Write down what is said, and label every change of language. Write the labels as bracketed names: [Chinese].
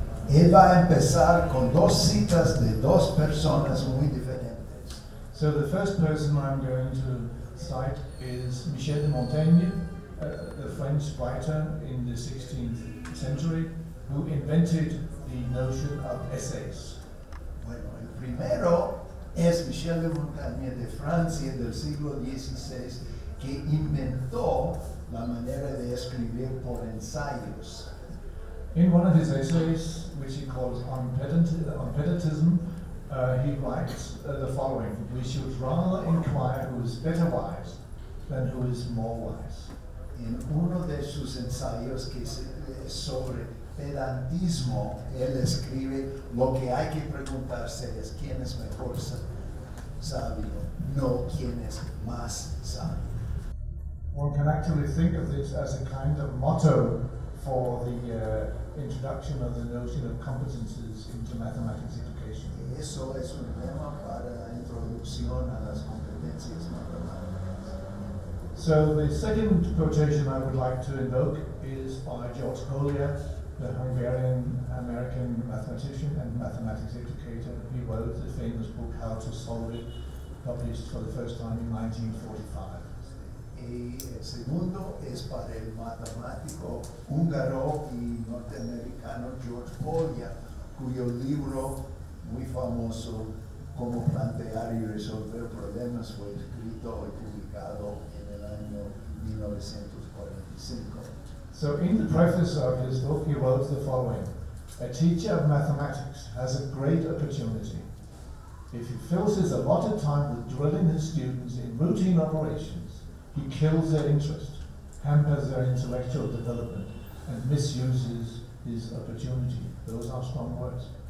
[Spanish] Él va a empezar con dos citas de dos personas muy diferentes. [English] So the first person I'm going to cite is Michel de Montaigne, a French writer in the 16th century, who invented the notion of essays. [Spanish] Bueno, el primero es Michel de Montaigne de Francia del siglo XVI, que inventó la manera de escribir por ensayos. [English] In one of his essays, which he calls On Pedantism, he writes the following: we should rather inquire who is better wise than who is more wise. [Spanish] En uno de sus ensayos que es sobre pedantismo, él escribe: lo que hay que preguntarse es quién es mejor sabio, no quién es más sabio. [English] One can actually think of this as a kind of motto for the introduction of the notion of competencies into mathematics education. [Spanish] Eso es un tema para la introducción a las competencias matemáticas. [English] So the second quotation I would like to invoke is by George Collier, the Hungarian-American mathematician and mathematics educator. He wrote the famous book How to Solve It, published for the first time in 1945. [Spanish] Y el segundo es para el matemático húngaro y norteamericano George Collier, cuyo libro muy famoso, Cómo plantear y resolver problemas, fue escrito y publicado en el año 1945. [English] So in the preface of his book, he wrote the following: a teacher of mathematics has a great opportunity. If he fills his allotted time with drilling his students in routine operations, he kills their interest, hampers their intellectual development, and misuses his opportunity. Those are strong words.